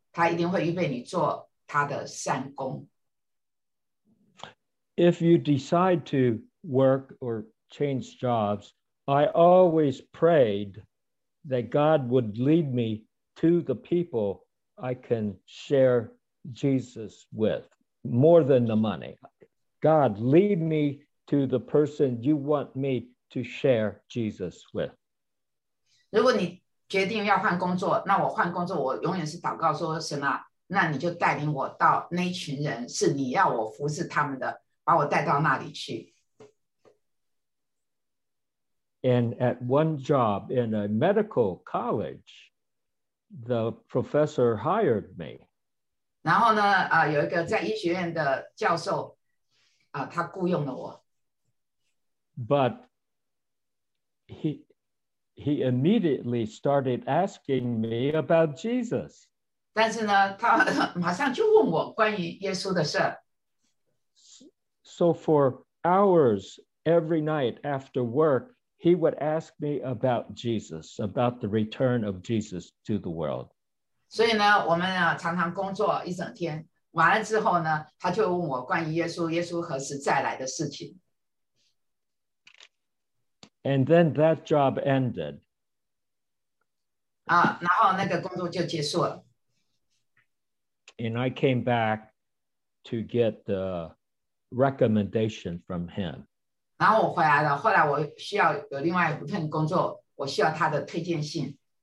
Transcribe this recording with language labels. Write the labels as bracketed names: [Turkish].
[Chinese] 他一定会预备你做他的善工。 [English] If you decide to work or change jobs, I always prayed that God would lead me to the people I can share Jesus with, more than the money. God, lead me to the person you want me to share Jesus with. [Chinese] 如果你决定要换工作，那我换工作，我永远是祷告说，神啊，那你就带领我到那群人，是你要我服侍他们的，把我带到那里去。 [English] And at one job in a medical college, the professor hired me. [Chinese] 然后呢，有一个在医学院的教授，他雇佣了我。 [English] But he immediately started asking me about Jesus. [Chinese] 但是呢，他马上就问我关于耶稣的事。 [English] So for hours every night after work, he would ask me about Jesus, about the return of Jesus to the world. [Chinese] 所以呢，我们啊常常工作一整天，完了之后呢，他就问我关于耶稣，耶稣何时再来的事情。 [English] And then that job ended. [Chinese] 然后那个工作就结束了。 [English] And I came back to get the recommendation from him. [Chinese] 然后我回来了，后来我需要有另外一份工作，我需要他的推荐信。